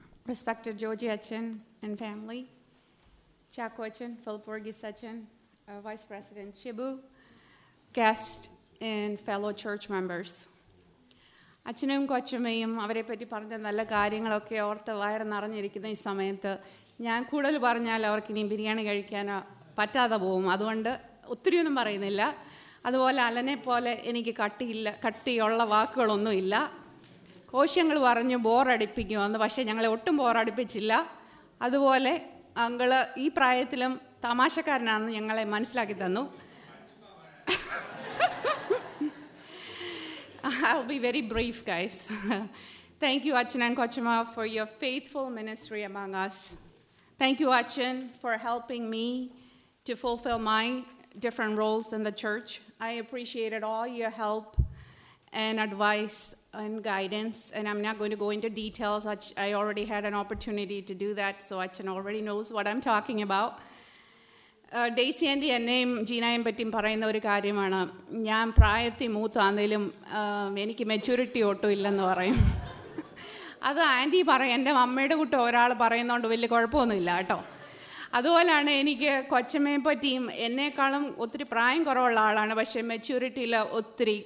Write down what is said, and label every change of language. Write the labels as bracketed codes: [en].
[en] Respected Georgie Achin and family, Chaco Achin, Philip Orgis Achin, Vice President Chibu, guests and fellow church members. [ml] അച്ഛനും കൊച്ചമ്മയും അവരെപ്പറ്റി പറഞ്ഞ നല്ല കാര്യങ്ങളൊക്കെ ഓർത്ത് വയറ് നിറഞ്ഞിരിക്കുന്ന ഈ സമയത്ത് ഞാൻ കൂടുതൽ പറഞ്ഞാൽ അവർക്ക് ഇനിയും ബിരിയാണി കഴിക്കാനോ പറ്റാതെ പോകും. അതുകൊണ്ട് ഒത്തിരിയൊന്നും പറയുന്നില്ല. അതുപോലെ അലനെ പോലെ എനിക്ക് കട്ടിയില്ല, കട്ടിയുള്ള വാക്കുകളൊന്നും ഇല്ല. കോശങ്ങൾ പറഞ്ഞ് ബോറടിപ്പിക്കുമെന്ന്, പക്ഷേ ഞങ്ങളെ ഒട്ടും ബോറടിപ്പിച്ചില്ല. അതുപോലെ അങ്ങൾ ഈ പ്രായത്തിലും തമാശക്കാരനാണെന്ന് ഞങ്ങളെ മനസ്സിലാക്കി തന്നു. [en] I'll be very brief, guys. Thank you, Achin and Kochama, for your faithful ministry among us. Thank you, Achin, for helping me to fulfill my different roles in the church. I appreciated all your help and advice and guidance, and I'm not going to go into details. I already had an opportunity to do that, so Achin already knows what I'm talking about. [ml] Daisy aunty എന്നെയും ജീനയും പറ്റിയും പറയുന്ന ഒരു കാര്യമാണ്, ഞാൻ പ്രായത്തിൽ മൂത്താന്നേലും എനിക്ക് maturity ഒട്ടും ഇല്ലെന്ന് പറയും. അത് ആൻ്റി പറയും, എൻ്റെ അമ്മയുടെ കുട്ടി ഒരാൾ പറയുന്നതുകൊണ്ട് വലിയ കുഴപ്പമൊന്നുമില്ല കേട്ടോ. അതുപോലെയാണ് എനിക്ക് കൊച്ചമ്മയെ പറ്റിയും, എന്നെക്കാളും ഒത്തിരി പ്രായം കുറവുള്ള ആളാണ്, പക്ഷേ മെച്യൂരിറ്റിയിൽ ഒത്തിരി.